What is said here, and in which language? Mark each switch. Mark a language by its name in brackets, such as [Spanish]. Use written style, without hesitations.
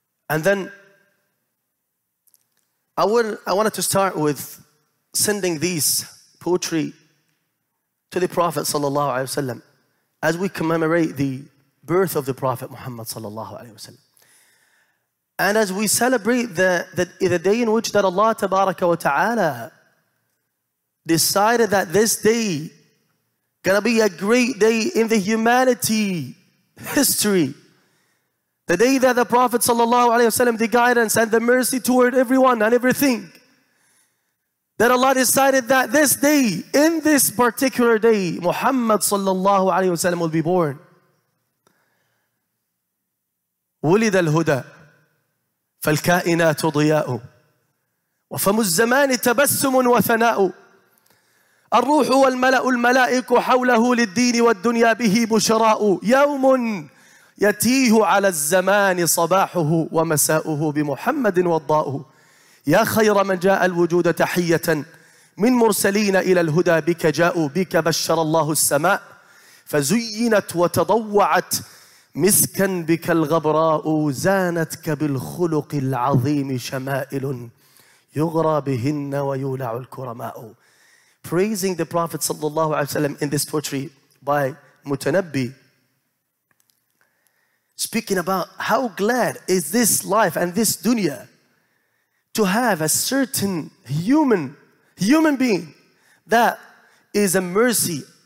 [English] And then I wanted to start with sending these poetry to the Prophet sallallahu alaihi wasallam as we commemorate the birth of the Prophet Muhammad sallallahu alaihi wasallam, and as we celebrate the day in which that Allah tabaraka wa ta'ala decided that this day gonna be a great day in the humanity history. The day that the Prophet sallallahu alaihi wasallam, the guidance and the mercy toward everyone and everything, that Allah decided that this day, in this particular day, Muhammad sallallahu alaihi wasallam will be born. [Arabic] ولد الهدى فالكائنات ضياء وفم الزمان تبسم وثناء الروح والملأ الملائك حوله للدين والدنيا به بشراء يوم يتيه على الزمان صباحه ومساؤه بمحمد والضاء يا خير من جاء الوجود تحية من مرسلين إلى الهدى بك جاءوا بك بشر الله السماء فزينت وتضوعت مسكا بك الغبراء زانتك بالخلق العظيم شمائل يغرى بهن ويولع الكرماء. [English] Praising the Prophet sallallahu alaihi wasallam in this poetry by Mutanabbi, speaking about how glad is this life and this dunya to have a certain human being that is a mercy.